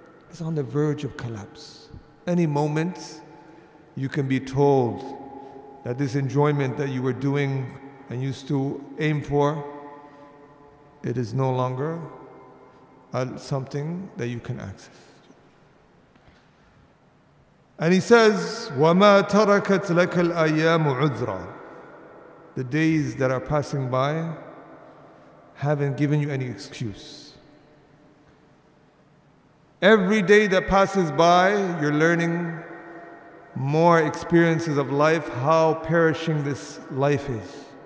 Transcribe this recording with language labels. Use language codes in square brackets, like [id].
[en] It's on the verge of collapse. Any moment you can be told that this enjoyment that you were doing and used to aim for, it is no longer something that you can access. And he says, [ar] وَمَا تَرَكَتْ لَكَ الْأَيَّامُ عُذْرًا. [en] The days that are passing by haven't given you any excuse. Every day that passes by, you're learning more experiences of life, how perishing this life is.